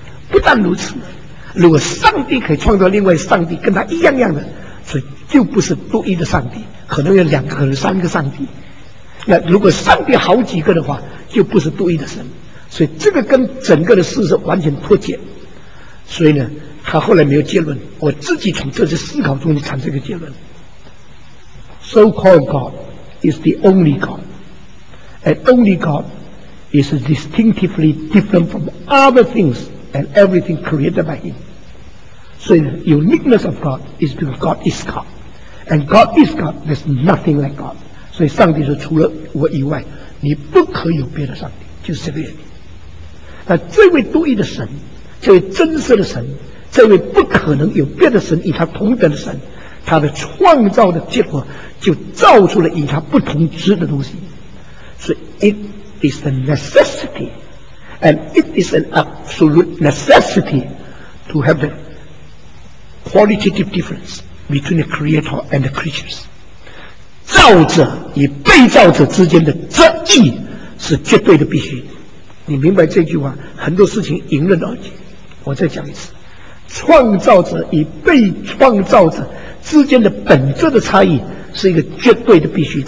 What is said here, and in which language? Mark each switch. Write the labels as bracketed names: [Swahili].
[Chinese] 不但如此，如果上帝可以创造另外上帝跟他一样样的，所以就不是独一的上帝，可能有两个，可能三个上帝。那如果上帝好几个的话，就不是独一的神。所以这个跟整个的事实完全脱节。所以呢，他后来没有结论，我自己从这次思考中产生一个结论。 [English] So called God is the only God, and only God is distinctively different from other thingsand everything created by him. So the uniqueness of God is because God is God. And God is God, there's nothing like God. [Chinese] 所以上帝说除了我以外，你不可有别的上帝，就是这个原因。那这位独一的神，这位真实的神，这位不可能有别的神与他同等的神，他的创造的结果就造出了与他不同质的东西。所以 [English] it is a necessity and it is an absolute necessity to have the qualitative difference between the creator and the creatures。 [Chinese] 造者与被造者之间的这义是绝对的必须。你明白这句话，很多事情迎刃而解。我再讲一次，创造者与被创造者之间的本质的差异是一个绝对的必须。